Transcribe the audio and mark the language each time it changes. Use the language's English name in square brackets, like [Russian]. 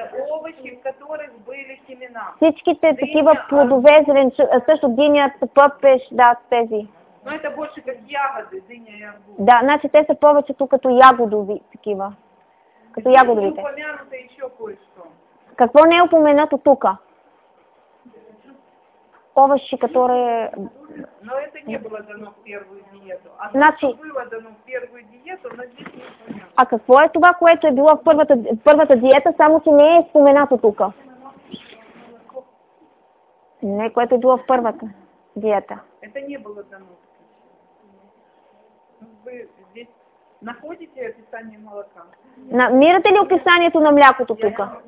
[Russian] Овощи, в которых были семена. [Bulgarian] Всичките такива плодове, зеленчуци, също диня, пъпеш, да, тези. [Russian] Но это больше как ягоды, дыня и арбуз. [Bulgarian] Да, значит, те са повече тук като ягодови, такива. Като ягодовите. [Russian] И упомянуто еще кое-что. [Bulgarian] Какво не е упомянато тук? [Russian] Овощи, которые... Но это не было дано в первую диету. Значит... Было дано в первую диету, но здесь не упомянуто. [Bulgarian] А какво е това, което е било в първата диета, само че не е упомянато тук? Не, което е било в първата диета. [Russian] Это не было дано. Вы здесь находите описание молока? [Bulgarian] Намирате ли описанието на млякото тук?